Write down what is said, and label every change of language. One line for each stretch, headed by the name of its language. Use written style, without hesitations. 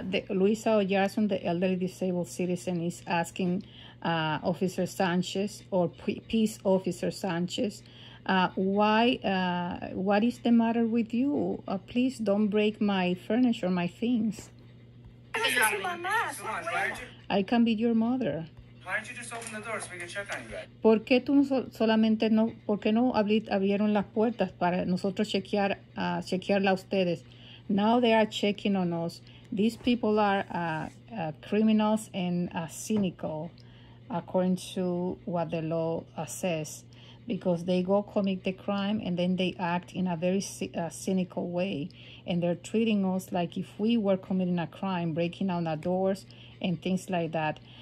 English: Luisa Oyarzun, the elderly disabled citizen, is asking Officer Sanchez or Peace Officer Sanchez, what is the matter with you? Please don't break my furniture or my things. I can be your mother. Why don't you just open the door so we can check on you?
Spanish: ¿Por qué tú solamente no, por qué no abrieron las puertas para nosotros chequearla a ustedes?
English: Now they are checking on us. These people are criminals and cynical, according to what the law says. Because they go commit the crime and then they act in a very cynical way. And they're treating us like if we were committing a crime, breaking down our doors and things like that.